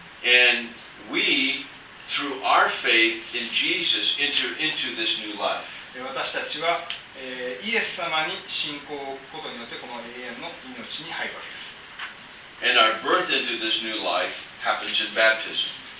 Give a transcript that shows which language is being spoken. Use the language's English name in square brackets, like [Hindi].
[English] And we, through our faith in Jesus, enter into this new life. [Japanese] 私たちは、イエス様に信仰を置くことによってこの永遠の命に入るわけです [English] And our birth into this new life happens in baptism.